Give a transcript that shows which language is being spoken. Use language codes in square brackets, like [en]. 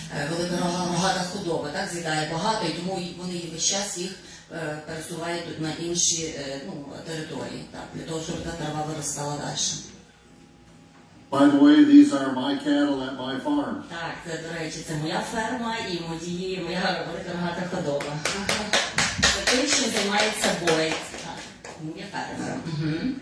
[uk] Велика худоба, так, з'їдає багато, і тому вони весь час їх пересувають на інші, ну, території, так, для того, щоб та трава виростала далі. [en] By the way, these are my cattle at my farm. [uk] Так, це, до речі, це моя ферма і моя велика рогата худоба.